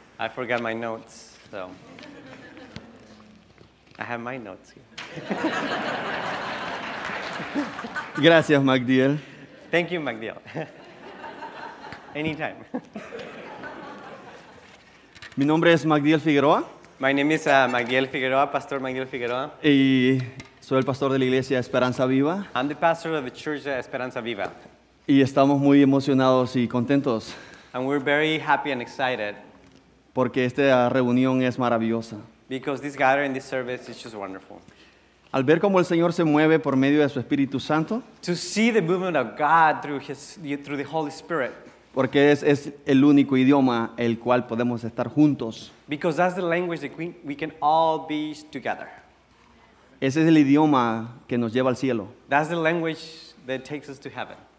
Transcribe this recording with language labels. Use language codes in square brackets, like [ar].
[en] I forgot my notes, so I have my notes here. [es] Gracias, Magdiel. [en] Thank you, Magdiel. Anytime. [es] Mi nombre es Magdiel Figueroa. [en] My name is Magdiel Figueroa, Pastor Magdiel Figueroa. [es] Y soy el pastor de la iglesia Esperanza Viva. [en] I'm the pastor of the church Esperanza Viva. [es] Y estamos muy emocionados y contentos. [en] And we're very happy and excited. [es] Porque esta reunión es maravillosa. [en] Because this gathering, this service is just wonderful. [es] Al ver cómo el Señor se mueve por medio de su Espíritu Santo. [en] To see the movement of God through His, through the Holy Spirit. [es] Porque es el único idioma el cual podemos estar juntos. [en] Because that's the language that we can all be together. [es] Ese es el idioma que nos lleva al cielo. [en] That's the language that takes us to heaven.